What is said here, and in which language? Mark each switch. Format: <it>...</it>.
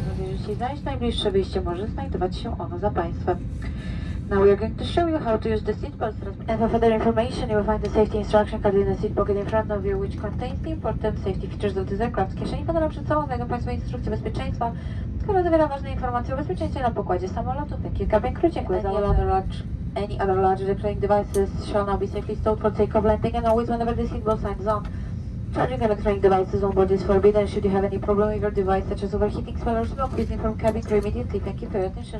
<pl>Jeśli zajść najbliższe wyjście, może znajdować się ono za Państwem.</pl> <en>Now we are going to show you how to use the seatbelt strap. And for further information, you will find the safety instruction card in the seat pocket in front of you, which contains the important safety features of this aircraft.</en> <pl>Kieszeni fotela przed sobą znajdą Państwo instrukcje bezpieczeństwa, która zawiera ważne informacje o bezpieczeństwie na pokładzie samolotu.</pl> <en>Thank you, cabin crew.</en> <pl>Dziękuję za uwagę.</pl> <en>Any other large electronic devices shall now be safely stowed for takeoff, landing, and always whenever the seatbelt sign is on. Charging electronic devices on board is forbidden. Should you have any problem with your device, such as overheating, smell, or smoke, please inform cabin crew immediately. Thank you for your attention.</en>